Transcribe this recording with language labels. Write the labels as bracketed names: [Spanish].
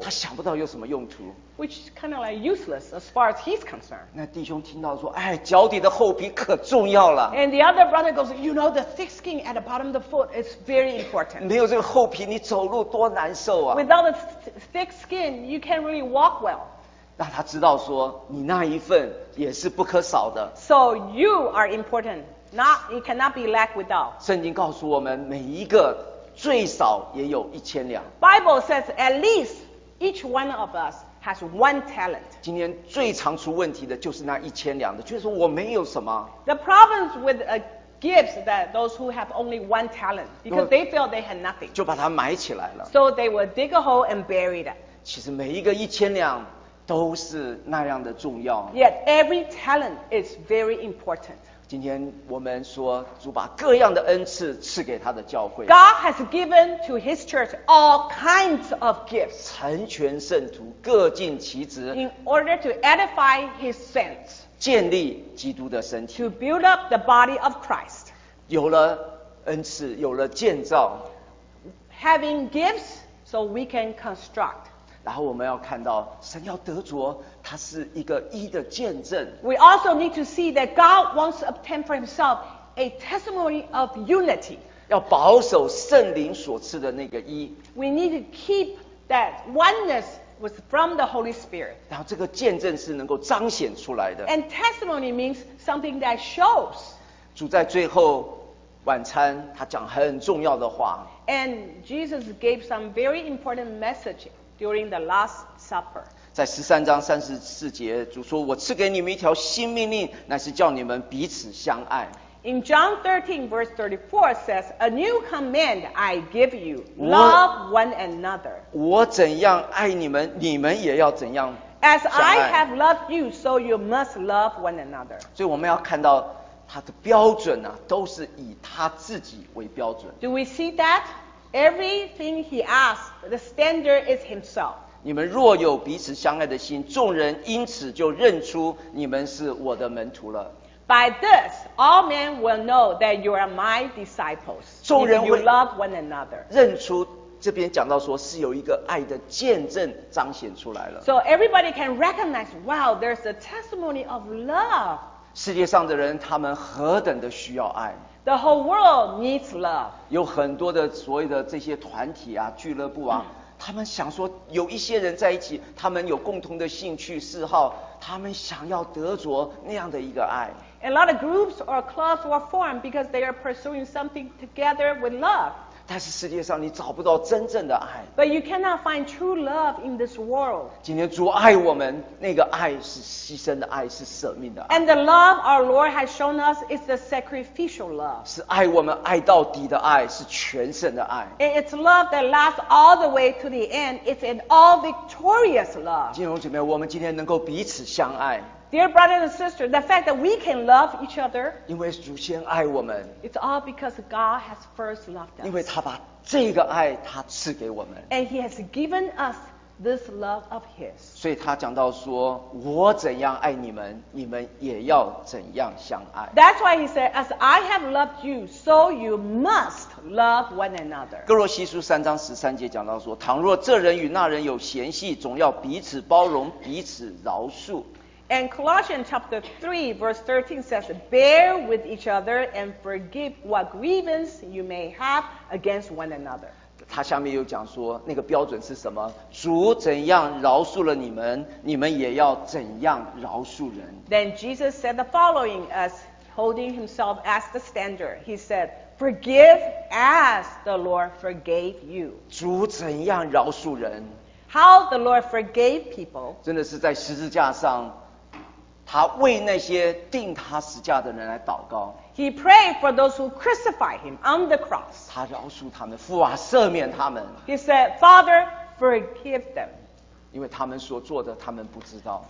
[Chinese] 他想不到有什么用途。 [English] Which is kind of like useless as far as he's concerned. [Chinese] 那弟兄听到说，哎，脚底的厚皮可重要了。 [English] And the other brother goes, you know, the thick skin at the bottom of the foot is very important. [Chinese] 没有这个厚皮，你走路多难受啊。 [English] Without the thick skin, you can't really walk well. [Chinese] 那他知道说，你那一份也是不可少的。 [English] So you are important. Not, you cannot be lack without. [Chinese] 圣经告诉我们，每一个最少也有一千两。 [English] Bible says at least each one of us. Has one talent. [Chinese] 今天最常出问题的就是那一千两的，就是我没有什么。 [English] The problems with a gifts that those who have only one talent, because they feel they had nothing. [Chinese] 就把它埋起来了。 [English] So they will dig a hole and bury it. [Chinese] 其实每一个一千两都是那样的重要。 [English] Yet every talent is very important. [Chinese] 今天我们说，主把各样的恩赐赐给他的教会。 [English] God has given to His church all kinds of gifts. [Chinese] 成全圣徒，各尽其职。 [English] In order to edify His saints. [Chinese] 建立基督的身体。 [English] To build up the body of Christ. [Chinese] 有了恩赐，有了建造。 [English] Having gifts so we can construct. [Chinese] 然后我们要看到，神要得着。它是一个义的见证。 [English] We also need to see that God wants to obtain for Himself a testimony of unity. [Chinese] 要保守圣灵所赐的那个义。 [English] We need to keep that oneness was from the Holy Spirit. [Chinese] 然后这个见证是能够彰显出来的。 [English] And testimony means something that shows. [Chinese] 主在最后晚餐，他讲很重要的话。 [English] And Jesus gave some very important message during the Last Supper. [Chinese] 在十三章三十四节，主说：“我赐给你们一条新命令，乃是叫你们彼此相爱。” [English] In John 13 verse 34 says, "A new command I give you, love one another." [Chinese] 我怎样爱你们，你们也要怎样相爱。 [English] As I have loved you, so you must love one another. [Chinese] 所以我们要看到他的标准啊，都是以他自己为标准。 [English] Do we see that? Everything he asked, the standard is himself. [Chinese] 你们若有彼此相爱的心，众人因此就认出你们是我的门徒了。 [English] By this, all men will know that you are my disciples. [Chinese] 众人会 [English] if you love one another. [Chinese] 认出这边讲到说是有一个爱的见证彰显出来了。 [English] So everybody can recognize, wow, there's a testimony of love. [Chinese] 世界上的人他们何等的需要爱。 [English] The whole world needs love. [Chinese] 有很多的所谓的这些团体啊，俱乐部啊。他们想说有一些人在一起，他们有共同的兴趣嗜好，他们想要得着那样的一个爱。 [English] A lot of groups or clubs were formed because they are pursuing something together with love. [Chinese] 但是世界上你找不到真正的爱。 [English] But you cannot find true love in this world. [Chinese] 今天主爱我们，那个爱是牺牲的爱，是舍命的爱。 [English] And the love our Lord has shown us is the sacrificial love. [Chinese] 是爱我们爱到底的爱，是全胜的爱。 [English] And it's love that lasts all the way to the end. It's an all-victorious love. [Chinese] 弟兄姐妹，我们今天能够彼此相爱。 [English] Dear brothers and sisters, the fact that we can love each other, [Chinese] 因为主先爱我们 [English] it's all because God has first loved us. [Chinese] 因为他把这个爱他赐给我们 [English] and He has given us this love of his. [Chinese] 所以他讲到说，我怎样爱你们，你们也要怎样相爱。 [English] That's why he said, as I have loved you, so you must love one another. [Chinese] 哥罗西书三章十三节讲到说，倘若这人与那人有嫌隙，总要彼此包容，彼此饶恕。 [English] And Colossians chapter 3 verse 13 says, bear with each other and forgive what grievance you may have against one another. [Chinese] 他下面又讲说，那个标准是什么？主怎样饶恕了你们，你们也要怎样饶恕人。 [English] Then Jesus said the following, as holding himself as the standard. He said, forgive as the Lord forgave you. [Chinese] 主怎样饶恕人？ [English] How the Lord forgave people. [Chinese] 真的是在十字架上，他为那些钉他十字架的人来祷告。 [English] He prayed for those who crucified him on the cross. [Chinese] 他饶恕他们，父啊，赦免他们。 [English] He said, Father, forgive them. [Chinese] 因为他们所做的，他们不知道。